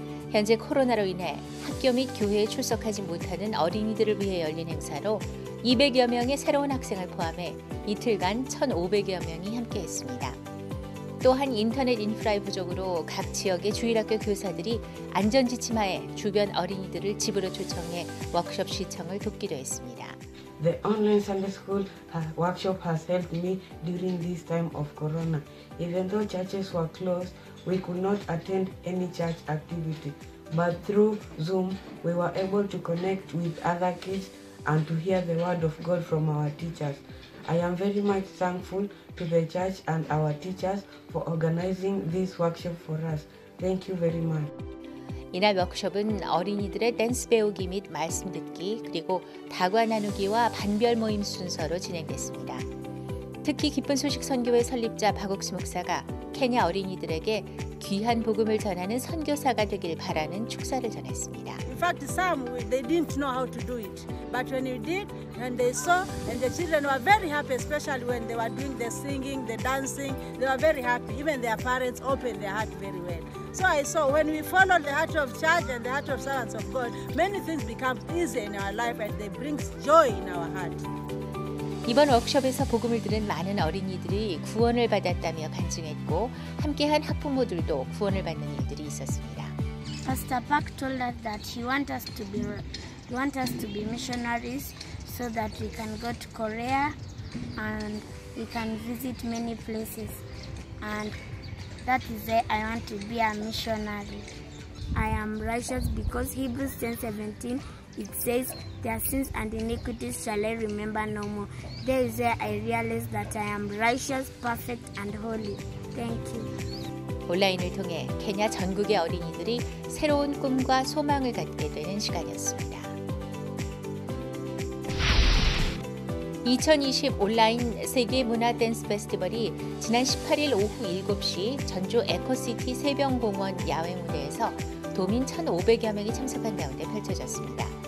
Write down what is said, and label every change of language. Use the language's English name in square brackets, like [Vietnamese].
[Korean] 현재 코로나로 인해 학교 및 교회에 출석하지 못하는 어린이들을 위해 열린 행사로 200여 명의 새로운 학생을 포함해 이틀간 1,500여 명이 함께했습니다. 또한 인터넷 인프라의 부족으로 각 지역의 주일학교 교사들이 안전지침하에 주변 어린이들을 집으로 초청해 워크숍 시청을 돕기도 했습니다. [English] The online Sunday school workshop has helped me during this time of corona. Even though churches were closed, we could not attend any church activity. But through Zoom, we were able to connect with other kids and to hear the word of God from our teachers. I am very much thankful to the church and our teachers for organizing this workshop for us. Thank you very much. [Korean] 이날 워크숍은 어린이들의 댄스 배우기 및 말씀 듣기, 그리고 다과 나누기와 반별 모임 순서로 진행됐습니다. 특히 기쁜 소식 선교회 설립자 박옥수 목사가 케냐 어린이들에게 귀한 복음을 전하는 선교사가 되길 바라는 축사를 전했습니다. [English] In fact, some they didn't know how to do it, but when we did, and they saw, and the children were very happy, especially when they were doing the singing, the dancing, they were very happy. Even their parents opened their heart very well. So I saw when we follow the heart of church and the heart of servants of God, many things become easy in our life, and they bring joy in our heart. [Korean] 이번 워크숍에서 복음을 들은 많은 어린이들이 구원을 받았다며 간증했고 함께한 학부모들도 구원을 받는 일들이 있었습니다. [English] Pastor Park told us that he wants us to be missionaries so that we can go to Korea and we can visit many places. And that is why I want to be a missionary. I am righteous because Hebrews 10:17 it says their sins and iniquities shall I remember no more. There is where I realize that I am righteous, perfect, and holy. Thank you. [Korean] 온라인을 통해 케냐 전국의 어린이들이 새로운 꿈과 소망을 갖게 되는 시간이었습니다. 2020 온라인 세계 문화 댄스 페스티벌이 지난 18일 오후 7시 전주 에코시티 새병공원 야외 무대에서 도민 1,500여 명이 참석한 가운데 펼쳐졌습니다.